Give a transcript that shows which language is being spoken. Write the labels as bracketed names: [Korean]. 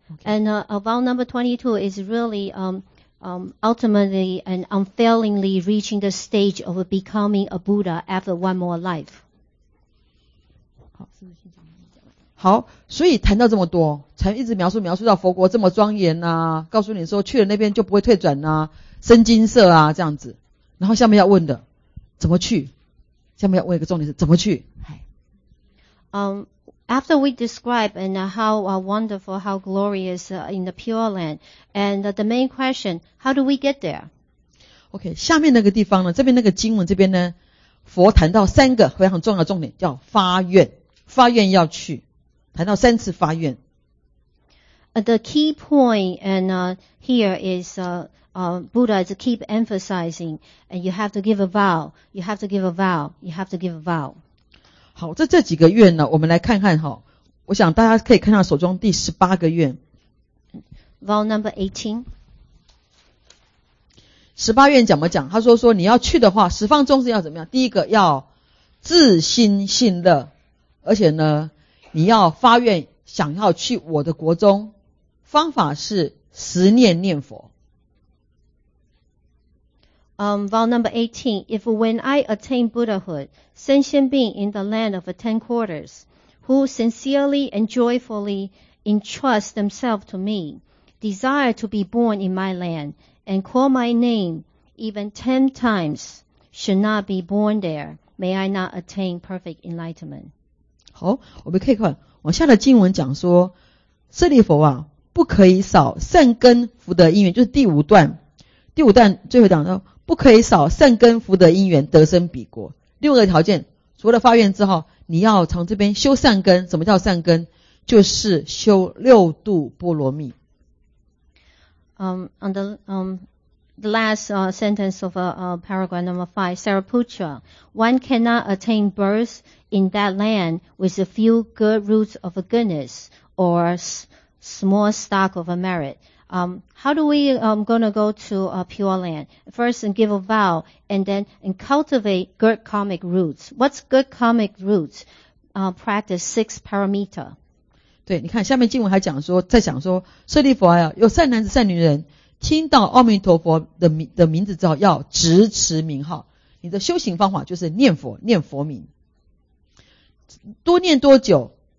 [English] Okay. And vow number 22 is really ultimately and unfailingly reaching the stage of becoming a Buddha after one more life. [Chinese] 好，所以谈到这么多，才一直描述到佛国这么庄严啊，告诉你说去了那边就不会退转啊，身金色啊这样子。然后下面要问的，怎么去？下面要问一个重点是怎么去？ [English] After we describe and how wonderful, how glorious in the pure land, and the main question, how do we get there? [Chinese] Okay, 下面那个地方呢，这边那个经文这边呢，佛谈到三个非常重要的重点，叫发愿，发愿要去，谈到三次发愿。 [English] The key point and here is Buddha is keep emphasizing, and you have to give a vow, you have to give a vow, you have to give a vow. [Chinese] 好，这几个愿呢，我们来看看哈。我想大家可以看到手中第十八个愿 [English] ，Vow number 18。 [Chinese] 十八愿怎么讲？他说你要去的话，十方众生要怎么样？第一个要自心信乐，而且呢，你要发愿想要去我的国中，方法是十念念佛。 [English] Vow number 18. If when I attain Buddhahood, sentient being in the land of the ten quarters, who sincerely and joyfully entrust themselves to me, desire to be born in my land, and call my name even 10 times, should not be born there, may I not attain perfect enlightenment? [Chinese] 好，我们可以看往下的经文讲说，舍利弗啊，不可以少善根福德因缘，就是第五段，第五段最后讲到。不可以少善根福德因缘得生彼国。六个条件，除了发愿之后，你要从这边修善根。什么叫善根？就是修六度波罗蜜。 [English] The last sentence of paragraph number 5, Sariputra, one cannot attain birth in that land with a few good roots of goodness or small stock of merit. How do we gonna go to a pure land? First, and give a vow, and then and cultivate good karmic roots. What's good karmic roots? Practice 6 paramita. [Chinese] 对，你看下面经文还讲说，在讲说，舍利弗啊，有善男子、善女人，听到阿弥陀佛的名字之后，要执持名号。你的修行方法就是念佛，念佛名。多念多久？